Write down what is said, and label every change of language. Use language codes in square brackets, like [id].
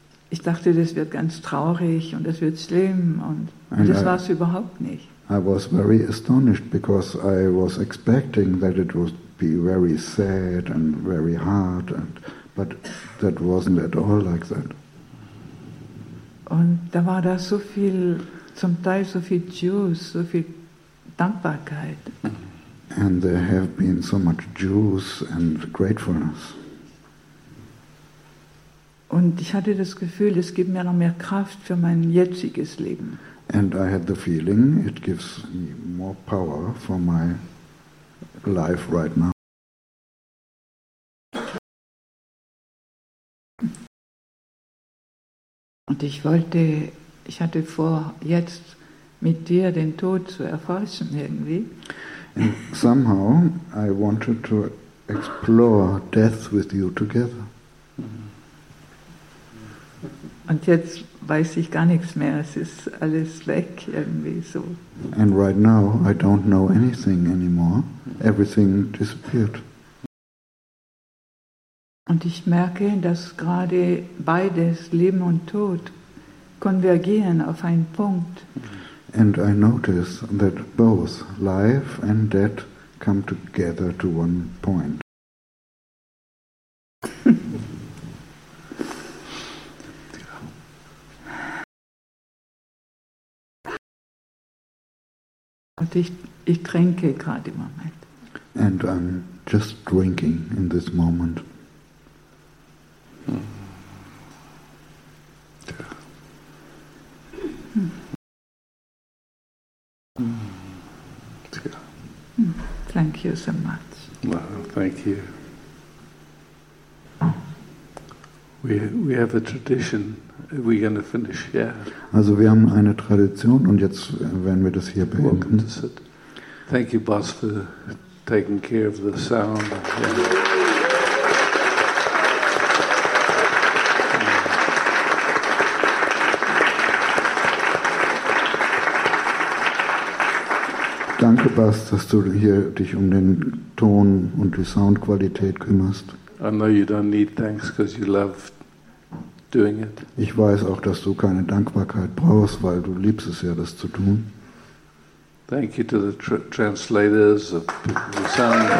[de] Ich dachte, das wird ganz traurig und das wird schlimm. Und das war es überhaupt nicht. [en] I was very astonished because I was expecting that it would be very sad and very hard. But that wasn't at all like that. [de] Und da war da so viel, zum Teil so viel Juice, so viel Dankbarkeit. [en] And there have been so much juice and gratefulness. [de] Und ich hatte das Gefühl, es gibt mir noch mehr Kraft für mein jetziges Leben. [en] And I had the feeling it gives me more power for my life right now. [de] Und ich hatte vor, jetzt mit dir den Tod zu erforschen irgendwie. [en] And somehow I wanted to explore death with you together. [de] Und jetzt weiß ich gar nichts mehr, es ist alles weg irgendwie so. [en] And right now I don't know anything anymore. Everything disappeared. [de] Und ich merke, dass gerade beides, Leben und Tod, konvergieren auf einen Punkt. [en] And I notice that both life and death come together to one point. [de] Und ich trinke gerade im Moment. [en] And I'm just drinking in this moment. Thank you so much. Well, thank you. We have a tradition. Are we going to finish? Yeah. [de] Also, wir haben eine Tradition, und jetzt werden wir das hier beenden. [en] Thank you, boss, for taking care of the sound. Yeah. [de] Danke, Bas, dass du hier dich um den Ton und die Soundqualität kümmerst. [en] I know you don't need thanks, 'cause you love doing it. [de] Ich weiß auch, dass du keine Dankbarkeit brauchst, weil du liebst es ja, das zu tun. [en] Thank you to the translators of the sound.